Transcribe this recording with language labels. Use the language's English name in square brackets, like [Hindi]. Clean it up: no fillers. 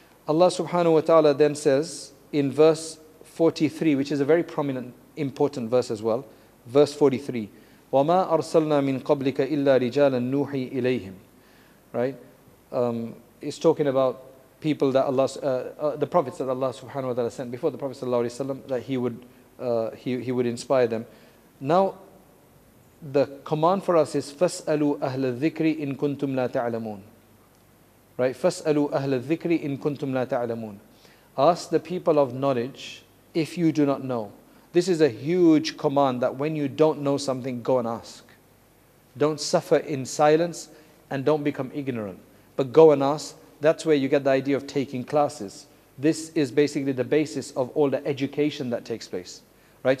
[English] Allah subhanahu wa ta'ala then says in verse 43, which is a very prominent, important verse as well, verse 43, [Arabic] وَمَا أَرْسَلْنَا مِنْ قَبْلِكَ إِلَّا رِجَالًا نُوحِي إِلَيْهِمْ. [English] Right? It's talking about people that Allah, the prophets that Allah subhanahu wa ta'ala sent before the Prophet sallallahu alayhi wa sallam, that he would inspire them. Now, the command for us is [Arabic] فَاسْأَلُوا أَهْلَ الذِّكْرِ إِن كُنْتُمْ لَا تَعْلَمُونَ. Right? فَاسْأَلُوا أَهْلَ الذِّكْرِ إِن كُنْتُمْ لَا تَعْلَمُونَ. [English] Ask the people of knowledge if you do not know. This is a huge command, that when you don't know something, go and ask. Don't suffer in silence and don't become ignorant, but go and ask. That's where you get the idea of taking classes. This is basically the basis of all the education that takes place. Right?